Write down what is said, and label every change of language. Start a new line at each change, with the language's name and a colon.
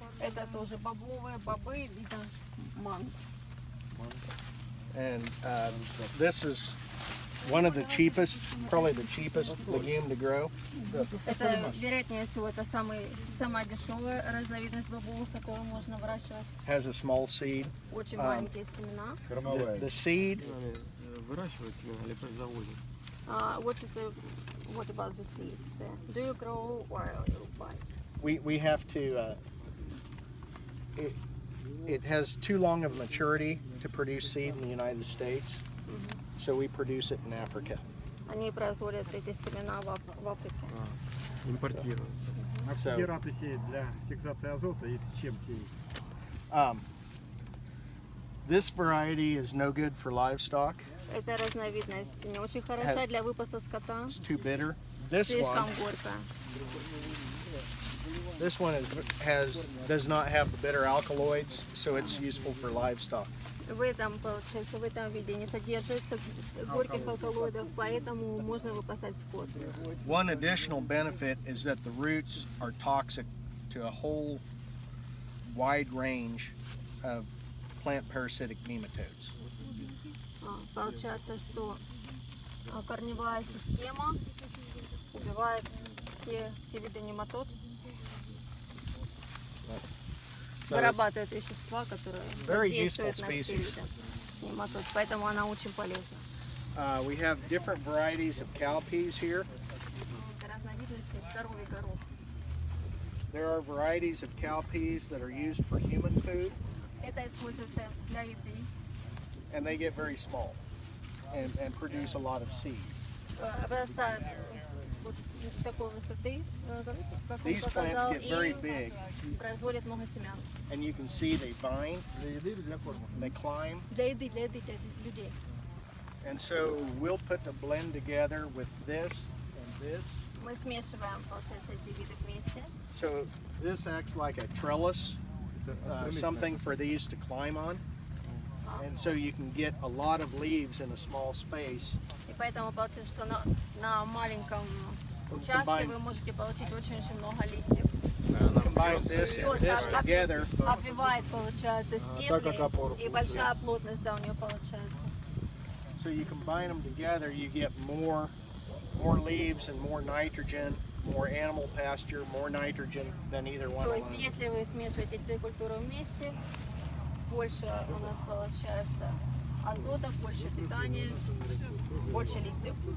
Russian: Это тоже бобовые, бобы, видно, манг.
English: And this is one of the cheapest, probably the cheapest legume to grow.
Russian: Это, вероятнее всего, это самая дешевая разновидность бобовых, которую можно выращивать.
English: Has a small seed.
Russian: Очень маленькие семена.
English: The seed.
Russian: Выращивать его или производить?
English: What about the seeds? Do you grow or you buy? We have to. it has too long of maturity to produce seed in the United States, so we produce it in Africa.
Russian: Они производят эти семена в Африке. Импортируются. Какие рапы сеют для фиксации азота и с чем сеют?
English: This variety is no good for livestock.
Russian: Эта разновидность не очень хороша для выпаса скота.
English: It's too bitter. This
Russian: слишком горько.
English: This one is, has does not have the bitter alkaloids, so it's useful for livestock.
Russian: В этом получается в этом виде не содержится горьких алкалоидов, поэтому можно выпасать скот.
English: One additional benefit is that the roots are toxic to a whole wide range of plant parasitic nematodes.
Russian: Получается, что корневая система убивает все виды нематод. Вырабатывает вещества, которые действуют на все виды нематод, поэтому она очень полезна.
English: We have different varieties of cowpeas here.
Russian: Разновидности коровьей коров.
English: There are varieties of cowpeas that are used for human food.
Russian: Это используется для еды.
English: And they get very small and produce a lot of seed.
Russian: Вырастают вот такой высоты.
English: These plants get very big.
Russian: Производят много семян.
English: And you can see they bind, they climb.
Russian: Для еды.
English: And so we'll put a blend together with this and this.
Russian: Мы смешиваем, получается, эти виды вместе.
English: So this acts like a trellis, something for these to climb on. And so you can get a lot of leaves in a small space.
Russian: И поэтому получается, что на маленьком участке вы можете получить очень-очень много листьев. Обвивает, получается, стебли, и большая плотность, да, у нее получается.
English: So you combine them together, you get more leaves and more nitrogen, more animal pasture, more nitrogen than either one.
Russian: То есть, если вы смешиваете две культуры вместе, больше у нас получается азота, больше питания, больше листьев.